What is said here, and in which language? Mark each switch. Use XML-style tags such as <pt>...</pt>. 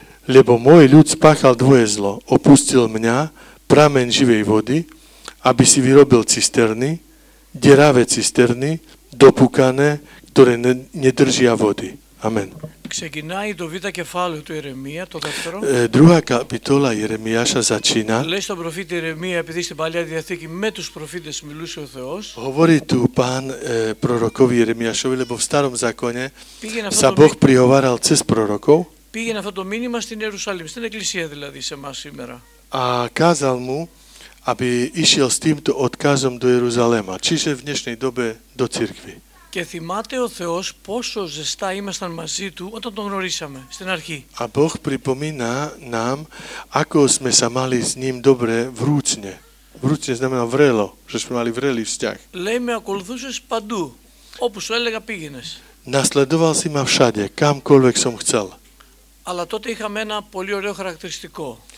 <sk>Lebo môj ľud spáchal dvoje zlo. Opustil mňa, prameň živej vody, aby si vyrobil cisterny, deravé cisterny, dopukané, ktoré nedržia vody. Amen.</sk> <el>Ξεκινάει το β' κεφάλαιο του Ιερεμία, το δεύτερο.</el> <sk>Druhá kapitola Jeremiáša začína.</sk> <el>Λέει στον προφήτη Ιερεμία, επειδή στην Παλιά Διαθήκη με τους προφήτες μιλούσε ο Θεός.</el> <sk>Hovorí tu pán prorokovi Jeremiášovi, lebo v starom zákone sa Boh prihováral cez prorokov.</sk> <el>Πήγαινε αυτό το μήνυμα στην Ιερουσαλήμ, στην εκκλησία δηλαδή σε εμάς σήμερα.</el> <sk>A kázal mu, aby išiel s týmto odkazom do Jeruzaléma, čiže v dnešnej dobe do cirkvi.</sk> <el>Και θυμάται ο Θεός πόσο ζεστά ήμασταν μαζί Του όταν Τον γνωρίσαμε στην αρχή.</el> <sk>A Boh pripomína nám, ako sme sa mali s Ním dobre vrúcne. Vrúcne znamená vrelo, že sme mali vrelý vzťah.</sk> <el>Λέει, με ακολουθούσες παντού, όπου σου έλεγα πήγαινες.</el> <sk>Nasledoval si ma všade, kamkoľvek som chcel.</sk> <el>Αλλά τότε είχαμε ένα πολύ ωραίο χαρακτηριστικό.</el>